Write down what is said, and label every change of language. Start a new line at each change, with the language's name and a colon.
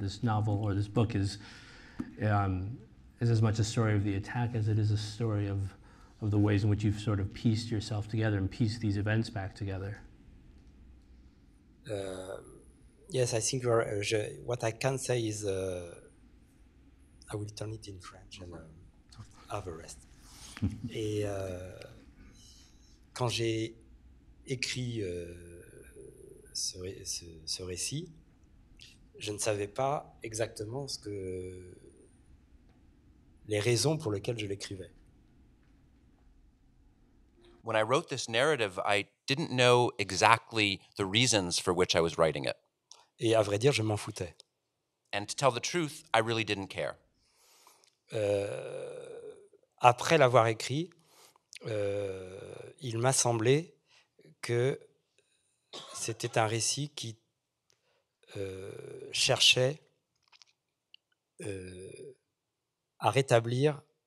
English: This novel or this book is as much a story of the attack as it is a story of the ways in which you've sort of pieced yourself together and pieced these events back together. Yes, I think what I can say is, I will turn it in French and have a rest.
French: Et quand j'ai écrit ce récit, je ne savais pas exactement les raisons pour lesquelles je l'écrivais.
English: When I wrote this narrative, I didn't know exactly the reasons for which I was writing it.
French: Et à vrai dire, je m'en foutais.
English: And to tell the truth, I really didn't care.
French: Après l'avoir écrit, il m'a semblé que c'était un récit qui cherchait à rétablir